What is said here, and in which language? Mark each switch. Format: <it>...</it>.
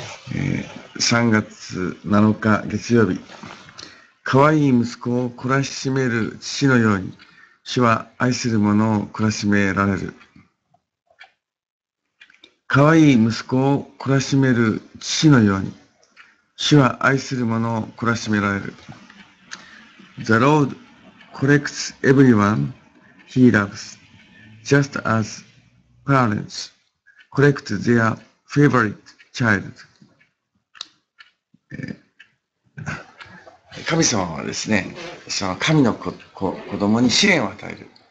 <ja>3月7日月曜日、可愛い息子を懲らしめる父のように、主は愛する者を懲らしめられる。可愛い息子を懲らしめる父のように、主は愛する者を懲らしめられる。</ja> <en>The Lord corrects everyone he loves, just as parents correct their favorite child.</en> <ja>神様はですね、その神の子供に試練を与える。</ja>